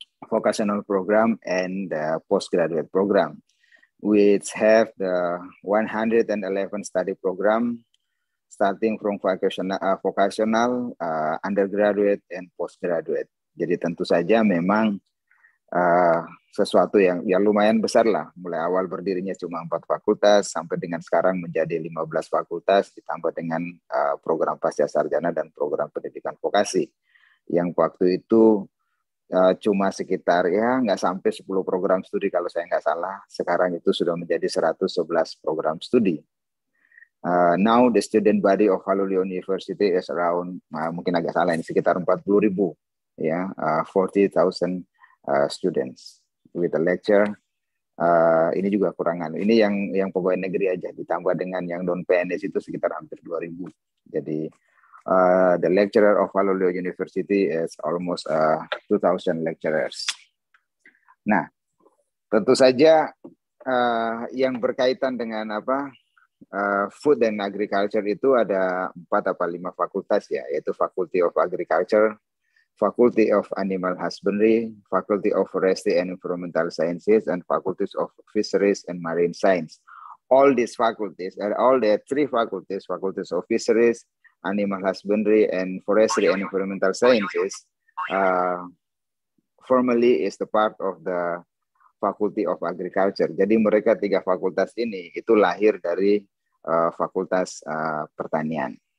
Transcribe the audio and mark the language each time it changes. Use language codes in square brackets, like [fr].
[en] vocational program and the postgraduate program, which have the 111 study program, starting from vocational, undergraduate, and postgraduate. [id] Jadi tentu saja memang sesuatu yang lumayan besar lah. Mulai awal berdirinya cuma 4 fakultas, sampai dengan sekarang menjadi 15 fakultas, ditambah dengan program pasca sarjana dan program pendidikan vokasi. Yang waktu itu cuma sekitar ya nggak sampai 10 program studi kalau saya nggak salah. Sekarang itu sudah menjadi 111 program studi. [en] Now the student body of Halu Leo University is around [id] mungkin agak salah ini sekitar 40,000 ya, [en] 40,000 students with a lecture. [id] Ini juga kurangan. Ini yang pegawai negeri aja ditambah dengan yang non PNS itu sekitar hampir 2,000. Jadi [en] the lecturer of Halu Leo University is almost 2,000 lecturers. [id] Nah, tentu saja yang berkaitan dengan apa? [en] Food and Agriculture [id] itu ada 4 atau 5 fakultas ya, yaitu [en] Faculty of Agriculture, Faculty of Animal Husbandry, Faculty of Forestry and Environmental Sciences, and Faculties of Fisheries and Marine Science. All these faculties, all the three faculties, Faculties of Fisheries, Animal Husbandry, and Forestry and Environmental Sciences, formerly is the part of the Faculty of Agriculture. [id] Jadi mereka tiga fakultas ini itu lahir dari Fakultas Pertanian.